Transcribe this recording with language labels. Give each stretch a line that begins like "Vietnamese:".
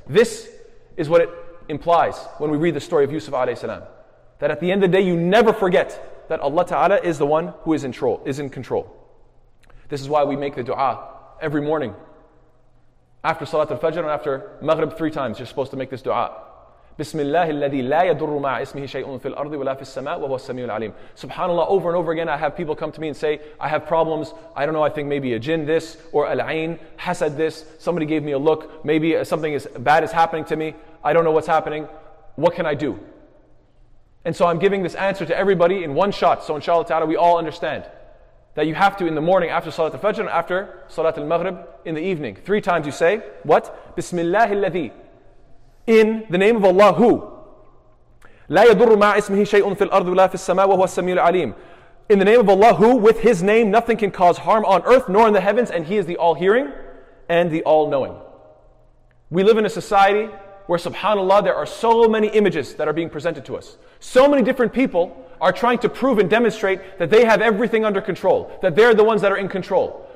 English: This is what it implies when we read the story of Yusuf alayhi salam. That at the end of the day, you never forget that Allah Ta'ala is the one who is in control. This is why we make the dua every morning. After Salat al-Fajr and after Maghrib 3 times, you're supposed to make this dua.
Arabic: بسم الله الذي لا يضر مع اسمه شيء في الأرض ولا في السماء وهو السميع العليم. سبحان الله.
English: Over and over again, I have people come to me and say, I have problems. I don't know. I think maybe a jinn this or al ayn hasad this. Somebody gave me a look. Maybe something is bad is happening to me. I don't know what's happening. What can I do? And so I'm giving this answer to everybody in one shot. So inshallah ta'ala, we all understand that you have to, in the morning, after Salat al-Fajr and after Salat al-Maghrib, in the evening, three times you say, what? Bismillah alladhi. In the name of Allah, who?
Arabic: لا يضر مع اسمه شيء في الأرض ولا في السماء وهو السميع العليم.
English: In the name of Allah, who? With His name, nothing can cause harm on earth nor in the heavens, and He is the all-hearing and the all-knowing. We live in a society where, subhanAllah, there are so many images that are being presented to us. So many different people are trying to prove and demonstrate that they have everything under control, that they're the ones that are in control.